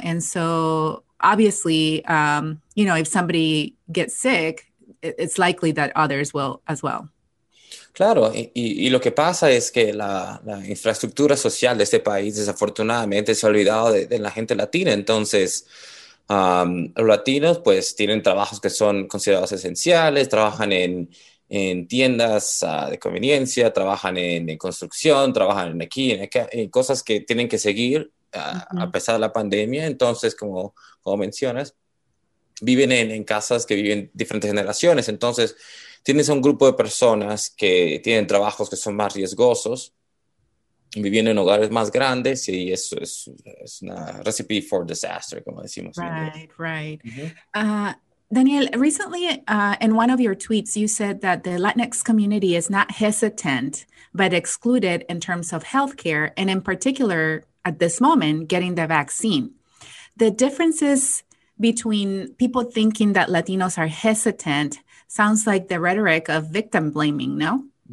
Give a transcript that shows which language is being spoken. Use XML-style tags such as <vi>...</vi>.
<en>And so obviously, you know, if somebody gets sick, it's likely that others will as well.</en> <es>Claro, y lo que pasa es que la infraestructura social de este país desafortunadamente se ha olvidado de la gente latina. Entonces, los latinos pues tienen trabajos que son considerados esenciales, trabajan en tiendas de conveniencia, trabajan en construcción, trabajan en aquí, en acá, en cosas que tienen que seguir a pesar de la pandemia. Entonces, como mencionas, viven en casas que viven diferentes generaciones. Entonces, tienes un grupo de personas que tienen trabajos que son más riesgosos, viviendo en hogares más grandes, y eso es una</es> <en>recipe for disaster,</en> <es>como decimos en inglés.</es> <en>Daniel, recently, in one of your tweets, you said that the Latinx community is not hesitant, but excluded in terms of healthcare, and in particular, at this moment, getting the vaccine. The differences between people thinking that Latinos are hesitant sounds like the rhetoric of victim blaming, no?</en>